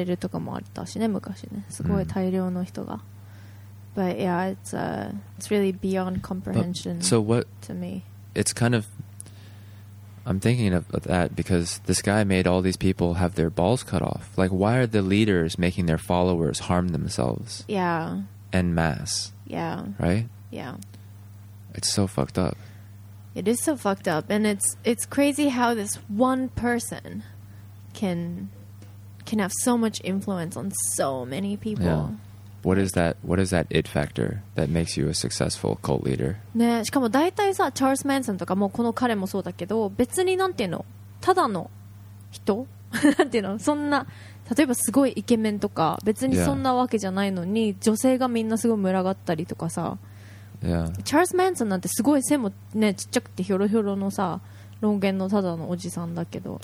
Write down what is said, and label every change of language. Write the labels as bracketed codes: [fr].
[ja] 強制的にこう自殺させられるとかもあったしね、昔ね。すごい大量の人が。 [en] But yeah, it's really beyond comprehension. So what to me? It's kind of I'm thinking of that because this guy made all these people have their balls cut off. Like, why are the leaders making their followers harm themselves? Yeah. En masse. Yeah. Right? Yeah. It's so fucked up. It is so fucked up. And it's crazy how this one person can have so much influence on so many people. Yeah. What is that it factor that makes you a successful cult leader? [ja] ね、しかも大体さ、チャールズ・マンソンとかもこの彼もそうだけど、別になんていうの、ただの人なんていうの、そんな、例えばすごいイケメンとか、別にそんなわけじゃないのに、 [en] yeah. [ja] 女性がみんなすごい群がったりとかさ、 [en] yeah. [ja] チャールズ・マンソンなんてすごい背もね、ちっちゃくてヒョロヒョロのさ、ロン毛のただのおじさんだけど。